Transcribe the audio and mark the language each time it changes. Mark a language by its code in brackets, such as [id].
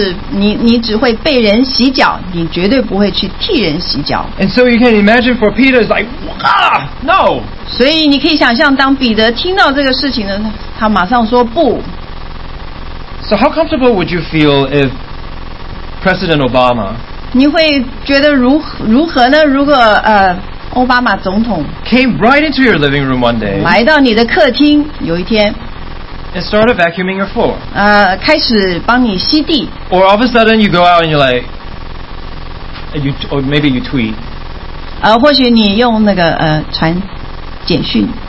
[zh] 你只会被人洗脚你绝对不会去替人洗脚 [en] And so you can imagine for Peter, it's like, ah, no [zh] 所以你可以想象当彼得听到这个事情呢他马上说不 [en] So how comfortable would you feel if President Obama [zh] 你会觉得如何呢如果奥巴马总统 [en] came right into your living room one day [zh] 来到你的客厅有一天 [en] and started vacuuming your floor [zh] 开始帮你吸地 [en] or all of a sudden you go out and you're like you, or maybe you tweet [zh] 或许你用那个传简讯